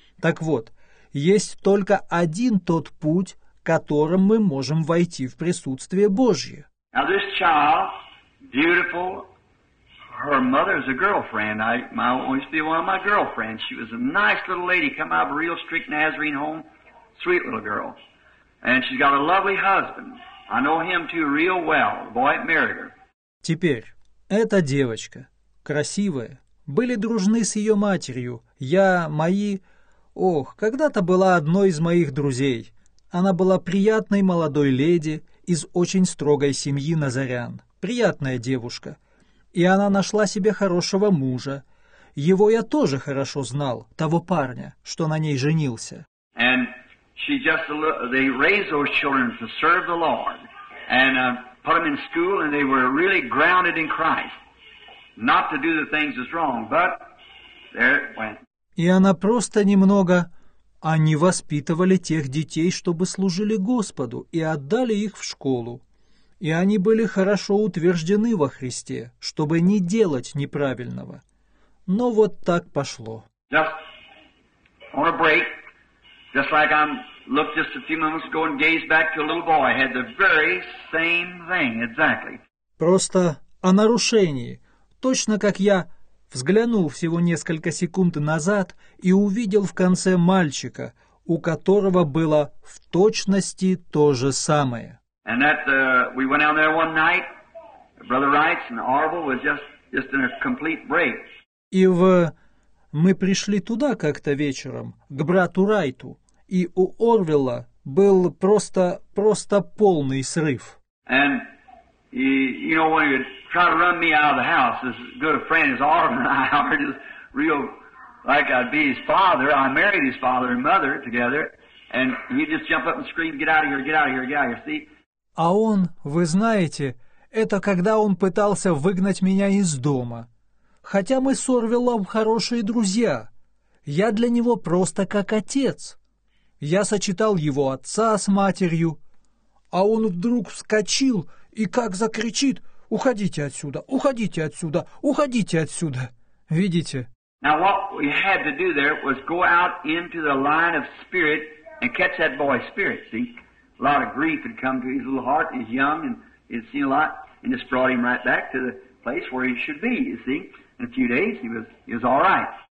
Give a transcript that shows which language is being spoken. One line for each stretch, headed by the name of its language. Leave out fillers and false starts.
Russian: Так вот, есть только один тот путь, которым мы можем войти в присутствие Божье.
English: Now this child, beautiful, her mother's a girlfriend. I always be one of my girlfriends. She was a nice little lady, come out of a real strict Nazarene home, sweet little girl. And she's got a lovely husband. I know him too real well. The boy married her.
Russian: Теперь, эта девочка, красивая, были дружны с ее матерью. Я, мои... Ох, когда-то была одной из моих друзей. Она была приятной молодой леди из очень строгой семьи Назарян. Приятная девушка. И она нашла себе хорошего мужа. Его я тоже хорошо знал, того парня, что на ней женился.
English: And she just, they raised those children to serve the Lord. And put them in school, and they were really grounded in Christ. Not to do the things that's wrong, but there it went.
Russian: И она просто немного... Они воспитывали тех детей, чтобы служили Господу, и отдали их в школу. И они были хорошо утверждены во Христе, чтобы не делать неправильного. Но вот так пошло.
English: Just on a break, just like I looked just a few moments ago and gazed back to a little boy, I had the very same thing, exactly.
Russian: Просто о нарушении. Точно как я взглянул всего несколько секунд назад и увидел в конце мальчика, у которого было в точности то же самое.
English: And that we went out there one night, Brother Wright's and Arbel was just in a complete break.
Russian: И в мы пришли туда как-то вечером к брату Райту, и у Орвилла был просто полный срыв.
English: And he, you know, when he would try to run me out of the house, as good a friend as Arbel and I are, just real like I'd be his father. I married his father and mother together, and he'd just jump up and scream, "Get out of here! Get out of here! Get out of here!" See?
Russian: А он, вы знаете, это когда он пытался выгнать меня из дома. Хотя мы с Орвиллом хорошие друзья. Я для него просто как отец. Я сочетал его отца с матерью. А он вдруг вскочил и как закричит: «Уходите отсюда! Уходите отсюда! Уходите отсюда!» Видите?
English: Now what we had to do there was go out into the line of spirit and catch that boy's spirit, see? A lot of grief had come to his little heart. He's young and he'd seen a lot, and just brought him right back to the place where he should be. You see, in a few days he was all right.